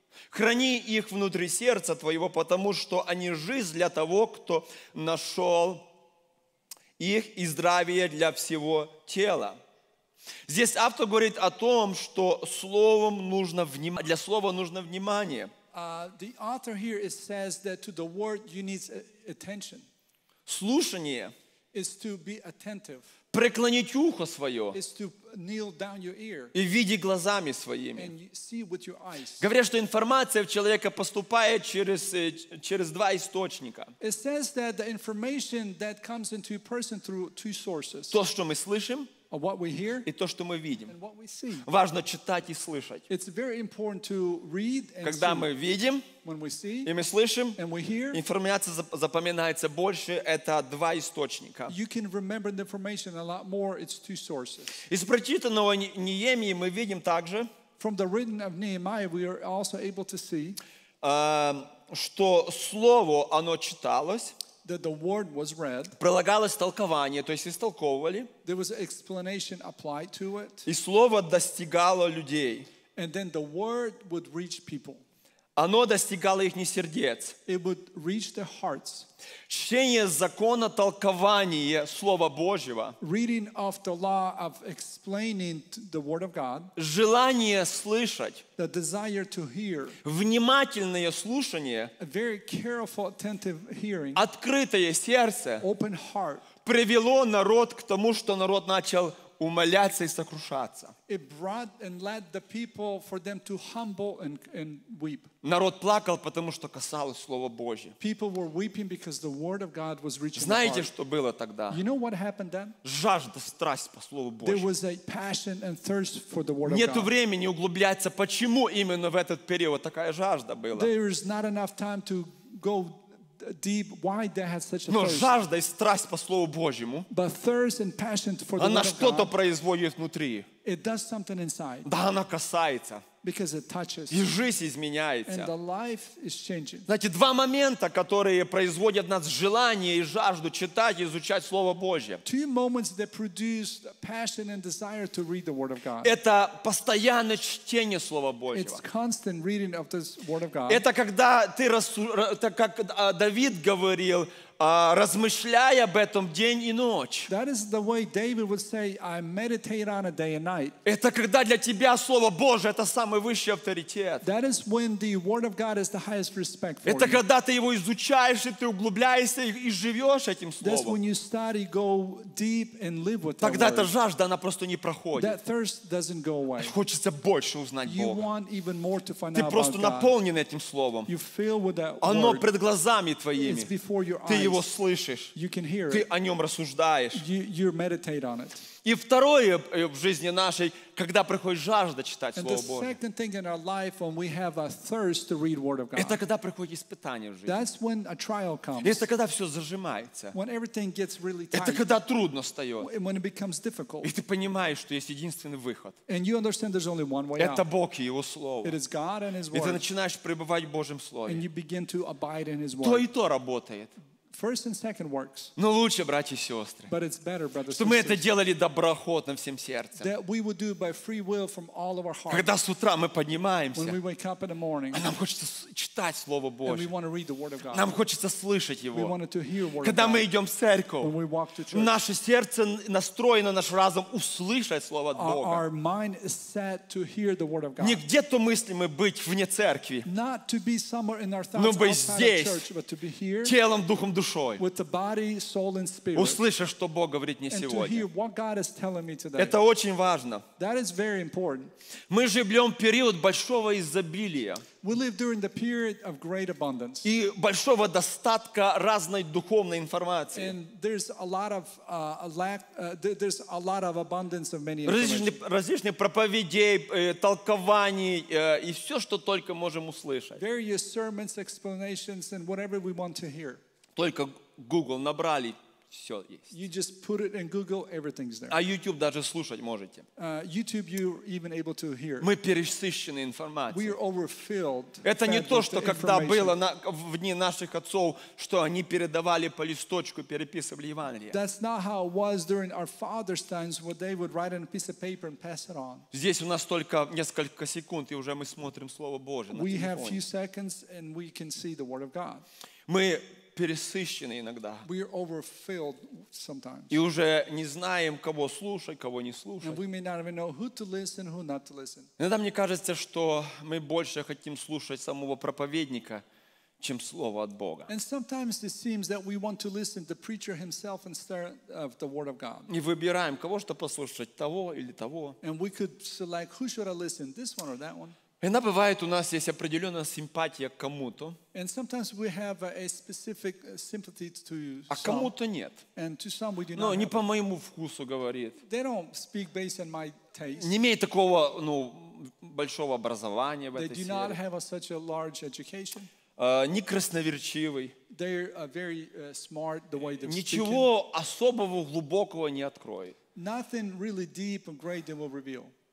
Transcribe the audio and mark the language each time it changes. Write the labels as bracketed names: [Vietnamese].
[Russian] Храни их внутри сердца твоего, потому что они жизнь для того, кто нашел их, и здравие для всего тела. Здесь автор говорит о том, что словом нужно внимание, для слова нужно внимание. [English] The author here it says that to the word you need attention. [Russian] Слушание. [English] Is to be attentive. [Russian] Преклонить ухо свое. [English] Is to kneel down your ear. [Russian] И видеть глазами своими. [English] And see with your eyes. [Russian] Говорят, что информация в человека поступает через два источника. [English] It says that the information that comes into a person through two sources. [Russian] То, что мы слышим. [English] What we hear, [Russian] и то, что мы видим. [English] And what we see. [Russian] Важно читать и слышать. [English] It's very important to read and [Russian] когда [English] see. [Russian] Мы видим [English] when we see, [Russian] и мы слышим, [English] and we hear, [Russian] информация запоминается больше. Это два источника. [English] You can remember the information a lot more. It's two sources. [Russian] Из прочитанного Неемии мы видим также, [English] from the written of Nehemiah, we are also able to see, [Russian] что слово оно читалось. [English] That the word was read. [Russian] Прилагалось толкование, то есть истолковывали. [English] There was an explanation applied to it. [Russian] И слово достигало людей. [English] And then the word would reach people. [Russian] Оно достигало их не сердец. [English] It would reach their hearts. [Russian] Чтение закона, толкование слова Божьего. [English] Reading of the law of explaining the word of God. [Russian] Желание слышать. [English] The desire to hear. [Russian] Внимательное слушание. [English] A very careful, attentive hearing. [Russian] Открытое сердце. [English] Open heart. [Russian] Привело народ к тому, что народ начал умоляться и сокрушаться. [English] It brought and led the people for them to humble and weep. [Russian] Народ плакал, потому что касалось Слова Божье. [English] People were weeping because the word of God was reaching. [Russian] Знаете, что было тогда? [English] You know what happened then? [Russian] Жажда, страсть по Слову Божьему. [English] There was a passion and thirst for the word of God. [Russian] Нету времени углубляться, почему именно в этот период такая жажда была. [English] There is not enough time to go deep, why they had such a [Russian] но [English] thirst. [Russian] Жажда и страсть по Слову Божьему, [English] but thirst and passion for the [Russian] она [English] word [Russian] что-то [English] of God, [Russian] производит внутри. [English] It does something inside. [Russian] Да, она касается. [English] Because it touches. [Russian] И жизнь изменяется. [English] And the life is changing. [Russian] Знаете, два момента, которые производят нас желание и жажду читать и изучать Слово Божье. [English] Two moments that produce passion and desire to read the Word of God. [Russian] Это постоянное чтение Слова Божьего. [English] It's constant reading of this Word of God. [Russian] Это когда ты это как Давид говорил, размышляй об этом день и ночь. [English] That is the way David would say, I meditate on it day and night. [Russian] Это когда для тебя Слово Божье это самый высший авторитет. [English] That is when the word of God is the highest respect for [Russian] это Это когда ты его изучаешь и ты углубляешься и живешь этим словом. [English] That's when you study, go deep and live with. [Russian] Тогда [English] that [Russian] эта жажда она просто не проходит. [English] That thirst doesn't go away. [Russian] Хочется больше узнать [English] you [Russian] Бога. [English] Want even more to find [Russian] ты [English] out [Russian] просто [English] about [Russian] наполнен [English] God. [Russian] Этим словом. [English] You fill with that [Russian] оно [English] word. [Russian] Пред глазами твоими. [English] It's before your eyes. [Russian] Ты его слышишь, [English] you can hear [Russian] ты [English] it. [Russian] О нем рассуждаешь. [English] You meditate on it. [Russian] И второе в жизни нашей, когда приходит жажда читать Слово Божие. [English] And the second thing in our life when we have a thirst to read Word of God. [Russian] Это когда приходит испытание в жизни. [English] That's when a trial comes. [Russian] Это когда все зажимается. [English] When everything gets really tight. [Russian] Это когда трудно встает. [English] And when it becomes difficult. [Russian] И ты понимаешь, что есть единственный выход. [English] And you understand there's only one way out. [Russian] Это Бог и Его Слово. [English] It is God and His Word. [Russian] И ты начинаешь пребывать в Божьем Слове. [English] And you begin to abide in His Word. [Russian] То и то работает. [English] First and second works. [Russian] Но лучше, братья и сестры, [English] but it's better, brothers, [Russian] что мы это делали доброохотно всем сердцем. [English] That we would do by free will from all of our hearts. [Russian] Когда с утра мы поднимаемся, [English] when we wake up in the morning, [Russian] а нам хочется читать Слово Божье, [English] and we want to read the Word of God. [Russian] Нам хочется слышать Его. [English] We want to hear Word [Russian] когда [English] of God. [Russian] Мы идем в церковь, [English] when we walk to church, [Russian] наше сердце настроено, наш разум услышать Слово от Бога. [English] Our mind is set to hear the Word of God. [Russian] Не где-то мыслим мы быть вне церкви, [English] not to be somewhere in our thoughts, [Russian] но быть здесь, [English] outside of church, but to be here, [Russian] телом, духом, душой. [English] With the body, soul, and spirit. [Russian] Услышать, что Бог говорит мне сегодня. [English] And to hear what God is telling me today. [Russian] Это очень важно. [English] That is very important. [Russian] Мы живем в период большого изобилия. [English] We live during the period of great abundance. [Russian] И большого достатка разной духовной информации. [English] And there's a lot of there's a lot of abundance of many information. [Russian] Различных проповедей, толкований и все, что только можем услышать. [English] Various sermons, explanations, and whatever we want to hear. [Russian] Только Google набрали, все есть. [English] You just put it in Google, everything's there. [Russian] А YouTube даже слушать можете. [English] YouTube you're even able to hear. [Russian] Мы пересыщены информацией. [English] We are overfilled. [Russian] Это не то, что когда было в дни наших отцов, что они передавали по листочку, переписывали Евангелие. [English] That's not how it was during our father's times, where they would write on a piece of paper and pass it on. [Russian] Здесь у нас только несколько секунд, и уже мы смотрим Слово Божие на телефоне. [English] We have few seconds and we can see the Word of God. [Russian] Мы пересыщены иногда. [English] We are overfilled sometimes. [Russian] И уже не знаем, кого слушать, кого не слушать. [English] And we may not even know who to listen, who not to listen. [Russian] Иногда мне кажется, что мы больше хотим слушать самого проповедника, чем слово от Бога. [English] And sometimes it seems that we want to listen to the preacher himself instead of the word of God. [Russian] И выбираем, кого что послушать, того или того. [English] And we could select who should I listen, this one or that one. [Russian] Иногда бывает у нас есть определенная симпатия к кому-то, [English] and sometimes we have a specific sympathy to some, [Russian] а кому-то нет. [English] And to some we do not. [Russian] Но не по моему вкусу говорит. [English] They don't speak based on my taste. [Russian] Не имеет такого, ну, большого образования в этой сфере. [English] They do not have such a large education. [Russian] Не красноречивый. [English] They're very smart the way they're speaking. [Russian] Ничего особого глубокого не откроет. [English] Nothing really deep and great they will reveal.